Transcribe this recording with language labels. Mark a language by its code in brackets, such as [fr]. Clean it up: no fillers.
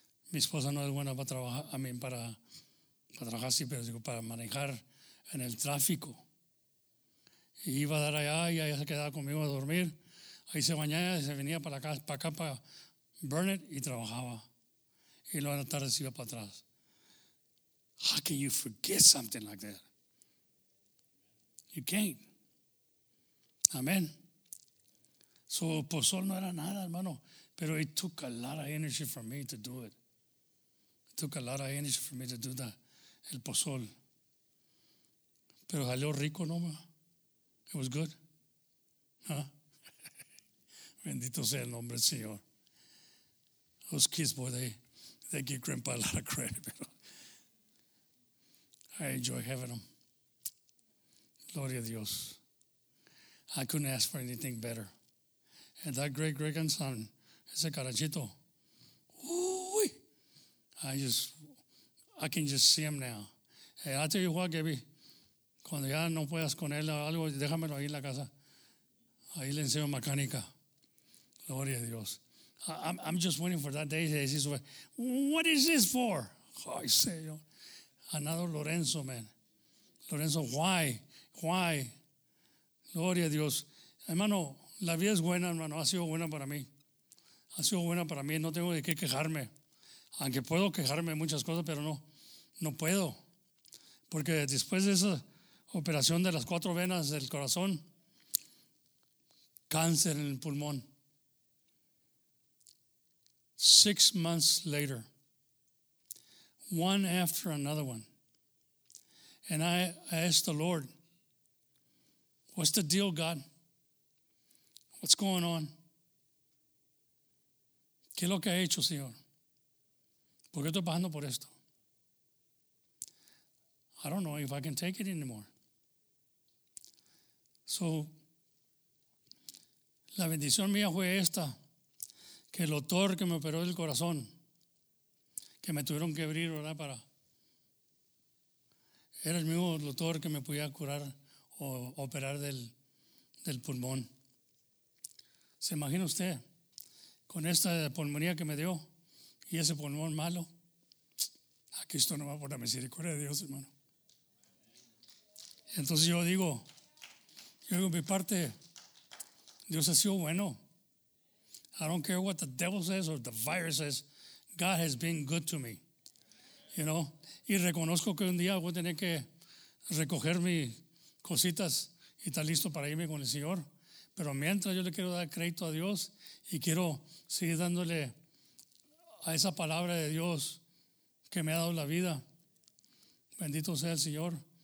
[es] Mi esposa no es buena para trabajar, [en] I mean, [es] para trabajar, sí, pero digo, para manejar en el tráfico. Y iba a dar allá y ella se quedaba conmigo a dormir. Ahí se bañaba y se venía para acá, para Burnett y trabajaba. Y luego en la tarde se iba para atrás. [en] How can you forget something like that? You can't. Amén. So, [es] pozol no era nada, hermano. Pero [en] it took a lot of energy for me to do it. It took a lot of energy for me to do that, [es] el pozol. Pero salió rico, ¿no? [en] It was good. Huh? [es] Bendito sea el nombre del Señor. [en] Those kids, boy, they give grandpa a lot of credit. Pero I enjoy having them. [es] Gloria a Dios. [en] I couldn't ask for anything better. And that great grandson, [es] ese carachito. Uy. [en] I can just see him now. Hey, I'll tell you what, Gaby. [es] Cuando ya no puedas con él algo, déjamelo ahí en la casa. Ahí le enseño mecánica. Gloria a Dios. [en] I'm just waiting for that day. What is this for? [es] Ay, Señor. [en] Another Lorenzo, man. Lorenzo, why? Why? [es] Gloria a Dios. Hermano, la vida es buena, hermano. Ha sido buena para mí. Ha sido buena para mí, no tengo de qué quejarme. Aunque puedo quejarme de muchas cosas, pero no puedo. Porque después de esa operación de las cuatro venas del corazón, cáncer en el pulmón. [en] 6 months later, one after another one. And I asked the Lord, what's the deal, God? What's going on? [es] ¿Qué es lo que ha hecho, Señor? ¿Por qué estoy pasando por esto? [en] I don't know if I can take it anymore. [es] So, la bendición mía fue esta, que el doctor que me operó del corazón, que me tuvieron que abrir, ¿verdad? Para, era el mismo doctor que me podía curar o operar del pulmón. ¿Se imagina usted? Con esta pulmonía que me dio y ese pulmón malo, aquí esto no va por la misericordia de Dios, hermano. Entonces yo digo, mi parte, Dios ha sido bueno. [en] I don't care what the devil says or the virus says, God has been good to me. You know, [es] y reconozco que un día voy a tener que recoger mis cositas y estar listo para irme con el Señor. Pero mientras yo le quiero dar crédito a Dios y quiero seguir dándole a esa palabra de Dios que me ha dado la vida. Bendito sea el Señor.